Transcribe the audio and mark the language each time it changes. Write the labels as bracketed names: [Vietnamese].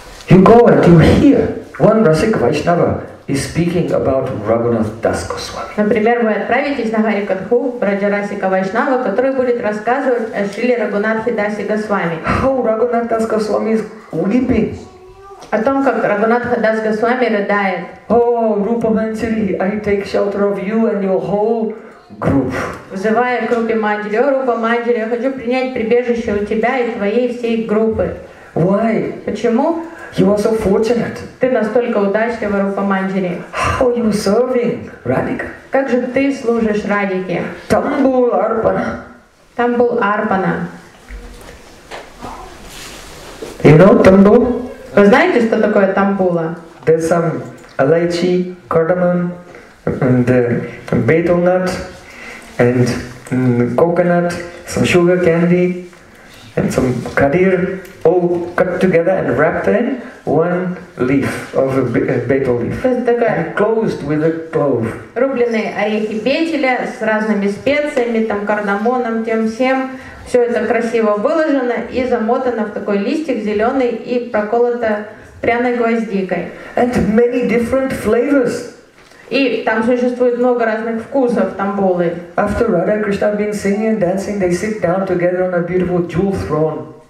[English] You go and you hear one Rasika Vaishnava is speaking about Raghunath Das Goswami. [Russian] Например, вы отправитесь на Харикатху Враджа Расика Вайшнава, который будет рассказывать о Шриле Рагунатхе Дасе Госвами. [English] How Raghunath Das Goswami is weeping. [Russian] О том, как Рагунатха Дас Госвами рыдает. [English] Oh, Rupa Manjari, I take shelter of you and your whole group. [Russian] Взывая к Рупе Манджари, о Рупа Манджари, я хочу принять прибежище у тебя и твоей всей группы. [English] Why? [Russian] Почему? [English] You are so fortunate. [Russian] Ты настолько удачлива, Рупа Манджари. [English] How you serving Radhika? [Russian] Как же ты служишь Радике? Тамбул арпана. Тамбул арпана. [English] You know тамбул? [Russian] Вы знаете, что такое тамбула? [English] There's some алайчи, cardamom, and betel nut, and coconut, some sugar candy, and some kadir. All cut together and wrapped in one leaf of a betel leaf. And closed with a clove. [Russian] Рубленые орехи бетеля с разными специями, там кардамоном, тем всем. Все это красиво выложено и замотано в такой листик зеленый и проколото пряной гвоздикой. [English] And many different flavors. [Russian] И там существует много разных вкусов тамбулы. [English] After Radha Krishna been singing and dancing, they sit down together on a beautiful jewel throne.